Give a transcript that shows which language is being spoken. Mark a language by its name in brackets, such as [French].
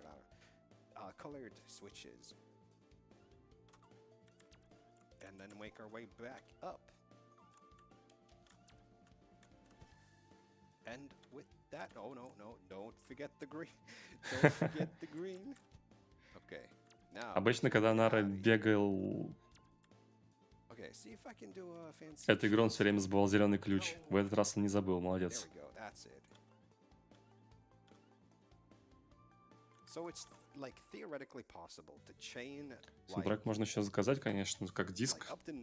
[English] I don't know. Colored switches. And then make our way back up. And with that, oh no, no, don't forget the green. Don't forget the green. Okay. Now. [Russian] Обычно, когда Нара бегал. [English] Okay. See if I can do a fancy. [Russian] Эту игру он все время забывал зеленый ключ. В этот раз он не забыл. Молодец. [English] There we go. That's it. So it's like theoretically possible to chain. [Russian] Саундтрек можно сейчас заказать, конечно, как диск.